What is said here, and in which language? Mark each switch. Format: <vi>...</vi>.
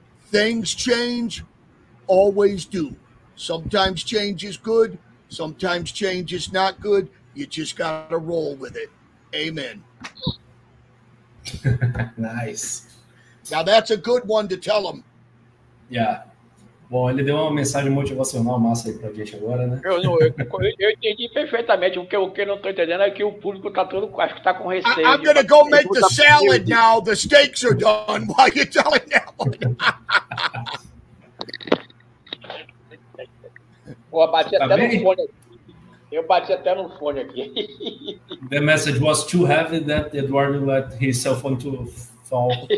<en>Things change, always do. Sometimes change is good, sometimes change is not good. You just got to roll with it. Amen. Nice. Now that's a good one to tell them. Yeah.</en> <pt>Bom, ele deu uma mensagem motivacional massa aí pra gente agora, né? Eu entendi perfeitamente. O que eu não tô entendendo é que o público tá todo, acho que tá com receio.</pt> <en>I'm gonna go make the salad now. The steaks are done. Why are you telling me?</en> <pt>Pô, bati tá até bem? No fone aqui. Eu bati até no fone aqui.</pt> <en>The message was too heavy that Eduardo let his cell phone to fall.</en>